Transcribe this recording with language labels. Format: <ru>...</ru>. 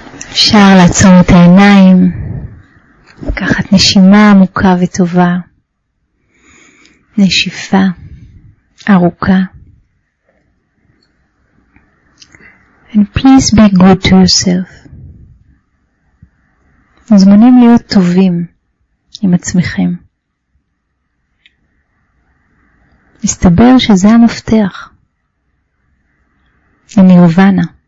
<he>אפשר לעצום את העיניים, לקחת נשימה עמוקה וטובה, נשיפה ארוכה.</he> <en>And please be good to yourself.</en> <he>מוזמנים להיות טובים עם עצמכם. מסתבר שזה המפתח לנירוונה.</he>